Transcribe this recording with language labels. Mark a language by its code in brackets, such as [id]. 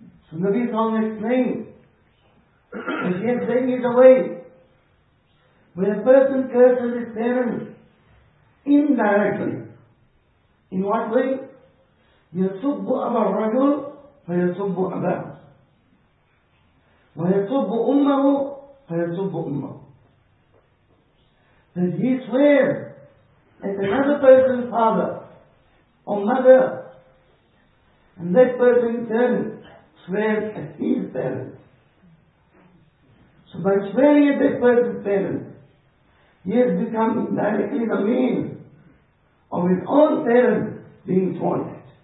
[en] So Nabi sallallahu alayhi wa sallam explained that he had taken it away. When a person curses his parents indirectly, in what way? [ar] يَسُبُّ أَبَى الرَّجُلْ فَيَسُبُّ أَبَاهُ وَيَسُبُّ أُمَّهُ فَيَسُبُّ أُمَّهُ. [en] That he swears at another person's father or mother, and that person in turn swears at his parents. So by swearing at that person's parents, he has become indirectly the means of his own parents being sworn at.